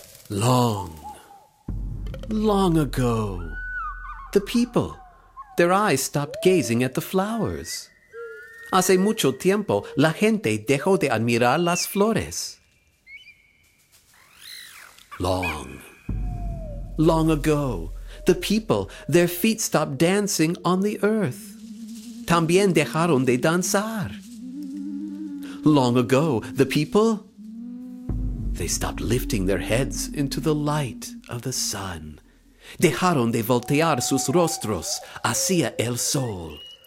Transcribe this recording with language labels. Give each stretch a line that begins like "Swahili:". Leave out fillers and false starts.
English: Long, long ago, the people, their eyes stopped gazing at the flowers.
Spanish: Hace mucho tiempo, la gente dejó de admirar las flores.
English: Long, long ago, the people, their feet stopped dancing on the earth. También dejaron de danzar. Long ago, the people, they stopped lifting their heads into the light of the sun.
Spanish: Dejaron de voltear sus rostros hacia el sol.